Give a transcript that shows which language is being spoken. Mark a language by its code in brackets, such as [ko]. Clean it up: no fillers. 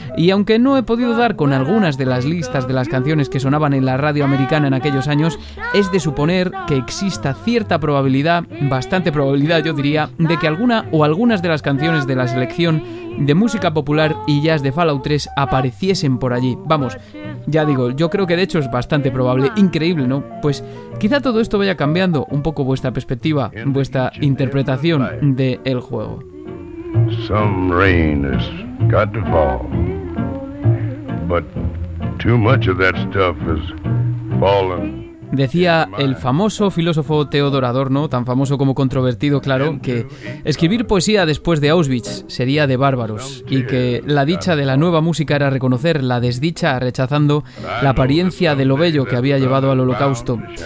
[es] Y aunque no he podido dar con algunas de las listas de las canciones que sonaban en la radio americana en aquellos años, es de suponer que exista cierta probabilidad, bastante probabilidad yo diría, de que alguna o algunas de las canciones de la selección de música popular y jazz de Fallout 3 apareciesen por allí. Vamos, ya digo, yo creo que de hecho es bastante probable, increíble, ¿no? Pues quizá todo esto vaya cambiando un poco vuestra perspectiva, vuestra interpretación de el juego. [en] Some rain has got to fall, but too much of that stuff has fallen. [es] Decía el famoso filósofo Theodor Adorno, tan famoso como controvertido, claro, que escribir poesía después de Auschwitz sería de bárbaros, y que la dicha de la nueva música era reconocer la desdicha rechazando la apariencia de lo bello que había llevado al Holocausto.